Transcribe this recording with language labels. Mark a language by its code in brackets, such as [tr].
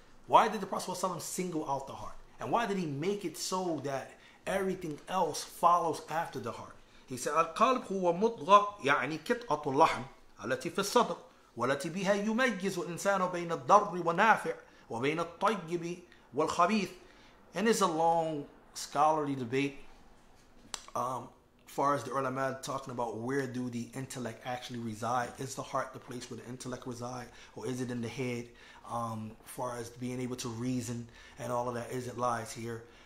[en] Why did the Prophet ﷺ single out the heart? And why did he make it so that everything else follows after the heart? He said, [ar] الْقَلْبُ هُوَ مُطْغَى يعني كِتْعَةُ اللَّحْمِ التي في الصدر والتي بها يميز الإنسان بين الضر ونافع وبين الطيب والخبيث, [en] and is a long scholarly debate far as the ulama talking about where do the intellect actually reside. Is the heart the place where the intellect reside, or is it in the head? Far as being able to reason and all of that, is it lies here?